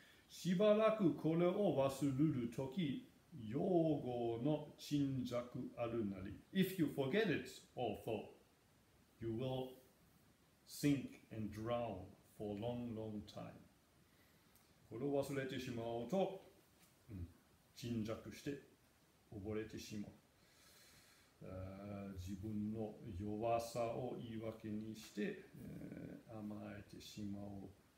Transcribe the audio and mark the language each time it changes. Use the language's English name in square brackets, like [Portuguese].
[Japanese] しばらくこれを忘るとき、用語の沈着あるなり。 [English] If you forget it, also, you will sink and drown for a long, long time. [Japanese] これを忘れてしまうと、沈着して溺れてしまう。自分の弱さを言い訳にして、甘えてしまおう。